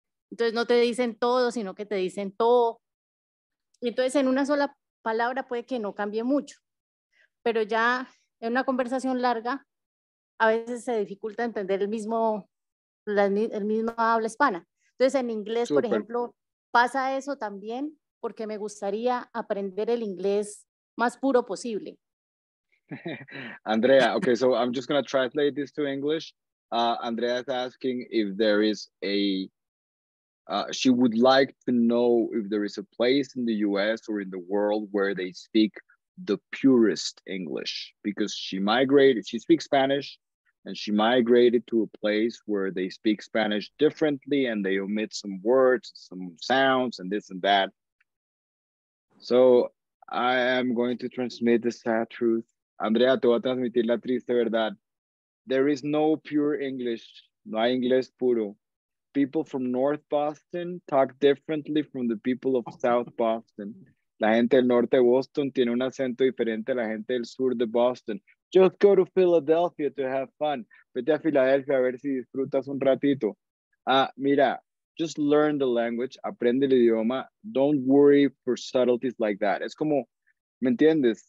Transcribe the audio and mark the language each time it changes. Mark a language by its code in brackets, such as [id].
[es] Entonces no te dicen todo, sino que te dicen todo. Entonces, en una sola palabra puede que no cambie mucho, pero ya en una conversación larga, a veces se dificulta entender el mismo habla hispana. Entonces, en inglés, super, por ejemplo, pasa eso también, porque me gustaría aprender el inglés más puro posible. [en] Andrea, okay, so I'm just going to translate this to English. Andrea is asking if there is a... she would like to know if there is a place in the US or in the world where they speak the purest English, because she speaks Spanish and she migrated to a place where they speak Spanish differently and they omit some words, some sounds and this and that. So I am going to transmit the sad truth. [es] Andrea, te voy a transmitir la triste verdad. [en] There is no pure English, [es] no hay inglés puro. [en] People from North Boston talk differently from the people of South Boston. [es] La gente del norte de Boston tiene un acento diferente a la gente del sur de Boston. [en] Just go to Philadelphia to have fun. [es] Vete a Filadelfia a ver si disfrutas un ratito. Mira, [en] just learn the language. [es] Aprende el idioma. [en] Don't worry for subtleties like that. [es] Es como, ¿me entiendes?